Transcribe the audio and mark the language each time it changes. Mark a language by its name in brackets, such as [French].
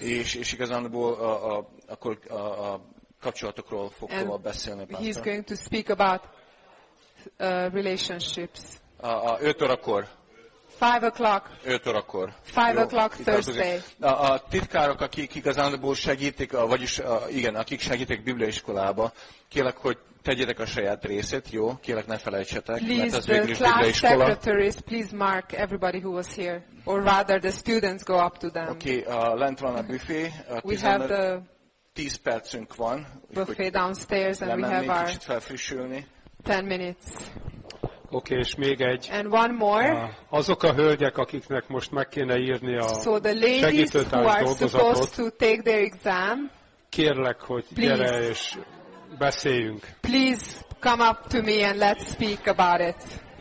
[Hungarian] És igazából akkor a kapcsolatokról fog tovább beszélni. [English] Pastor. He's going to speak about relationships. [Hungarian] 5 órakor. [English] 5 o'clock. [Hungarian] 5 órakor. [English] 5 o'clock Thursday. [Hungarian] A titkárok, akik igazándiból segítik, vagyis igen, akik segítik bibliaiskolába, kérlek, hogy tegyetek a saját részét, jó? Kérlek, ne felejtsetek, [English] please, [Hungarian] mert ez végül is bibliaiskola. [English] Please, the class secretaries, please mark everybody who was here. Or rather, the students go up to them. [Hungarian] Oké, lent van a büfé. [English] We have the [Hungarian] 10 percünk van. [English] Buffet downstairs and we have our 10 minutes. [Hungarian] Oké, és még egy. [English] And one more. [Hungarian] Azok a hölgyek, akiknek most meg kéne írni a [English] so the ladies who are supposed to take their exam. [Hungarian] Kérlek, hogy gyere és beszéljünk. [English] Please come up to me and let's speak about it.